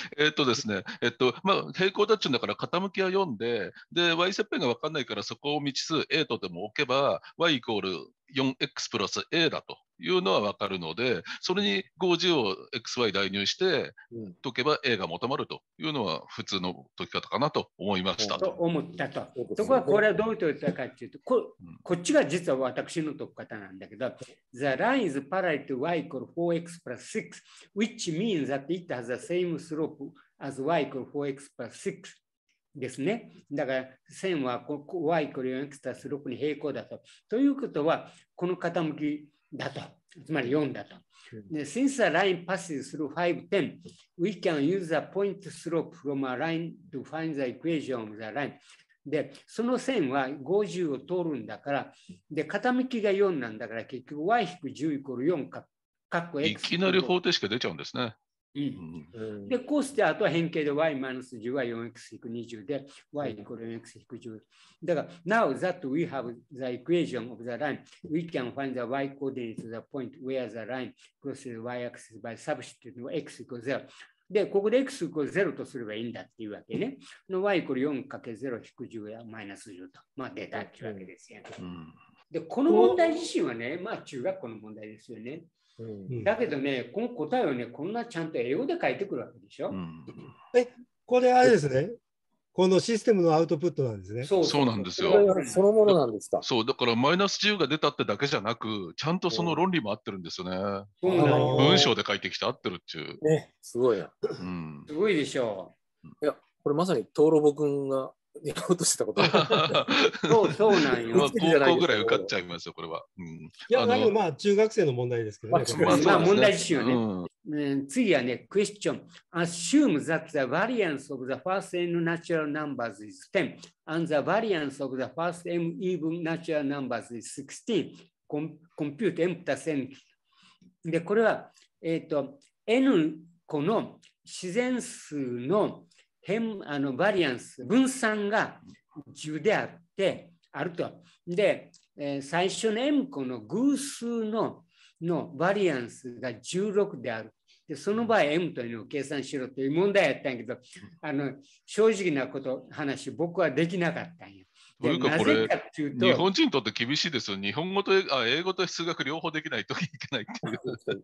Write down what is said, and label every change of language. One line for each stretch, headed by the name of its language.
Japanese: ですね、まあ、平行だっちゅうんだから傾きは4 で Y 切片が分かんないから、そこを未知数 A とでも置けば Y イコール 4X プラス A だというのは分かるので、それに50を XY 代入して解けば A が求まるというのは普通の解き方かなと思いました、うん、と思ったと。ところがこれはどう解いたかというと、 こっちが実は私の解き方なんだけど、うん、
English: The line is parallel to y equal 4x plus 6 which means that it has the same slope as y equal 4x plus 6ですね。
Japanese: だから線は y イコール 4x プラス6に平行だと、ということはこの傾きだと、つまり4だと。
English: で、since a line passes through 5, 10, we can use a point slope from a line to find the equation of the line.
Japanese: で、その線は50を通るんだから、で、傾きが4なんだから、結局 y 引く10イコール4か、かっこ x。いきなり方程式が出ちゃうんですね。うん、でこうしてあとは変形で y マイナス10は 4x-20 で y イコール 4x-10 だから、
English: Now that we have the equation of the line, we can find the y coordinate of the point where the line crosses the y axis by substituting x イコール0
Japanese: で、ここで x イコール0とすればいいんだっていうわけね。の y イコール 4×0-10 やマイナス10と、まあ、出たっていうわけですよ、ね、うん、でこの問題自身はね、まあ中学校の問題ですよね。うん、だけどね、この答えをね、こんなちゃんと英語で書いてくるわけでしょ、うん、これあれですね、このシステムのアウトプットなんですね。そうなんですよ、そのものなんですか。そうだから、マイナス10が出たってだけじゃなく、ちゃんとその論理も合ってるんですよね、うん、文章で書いてきて合ってるっちゅう、ね、すごいな、うん、すごいでしょう。いや、これまさに東ロボ君がやろうとしたことそうなんよ、まあ、高校ぐらい受かっちゃいますよ、これは、うん、いや、なんかまあ中学生の問題ですけど、ね、まあ、ね、まあ、問題自身はね、うん、次はね、クエスチョン、
English: Assume that the variance of the first n natural numbers is 10 and the variance of the first m even natural numbers is 16 compute m plus n
Japanese: で、これは、n 個の自然数の変、バリアンス、分散が10であって、あると。で、最初の M 個の偶数 のバリアンスが16である。で、その場合、M というのを計算しろという問題やったんやけど、正直なこと、話、僕はできなかったんや。というか、これ、日本人にとって厳しいですよ。日本語と、英語と数学両方できないといけないっていう。